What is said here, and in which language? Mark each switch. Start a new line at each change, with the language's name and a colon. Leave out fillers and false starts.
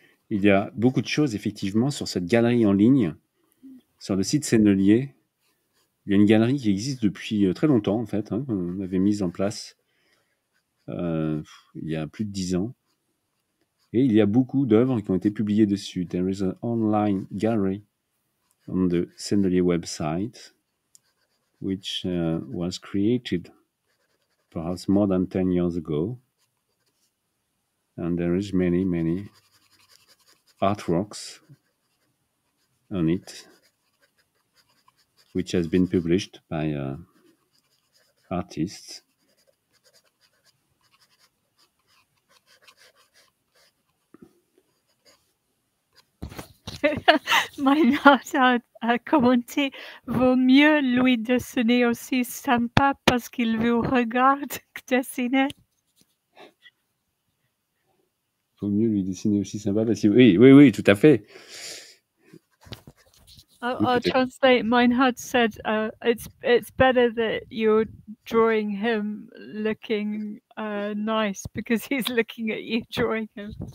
French: Il y a beaucoup de choses, effectivement, sur cette galerie en ligne, sur le site Sennelier. Il y a une galerie qui existe depuis très longtemps, en fait, hein, qu'on avait mise en place il y a plus de 10 ans. Et il y a beaucoup d'œuvres qui ont été publiées dessus.
English: There is an online gallery on the Sennelier website, which was created perhaps more than 10 years ago. And there is many, many artworks on it, which has been published by artists.
French: Maynard a commenté, vaut mieux lui dessiner aussi sympa parce qu'il vous regarde que dessiner. Faut mieux lui dessiner aussi sympa parce que oui, tout à fait. Oui,
English: I'll
French: peut-être.
English: translate. Meinhard said, it's better that you're drawing him looking nice because he's looking at you drawing him.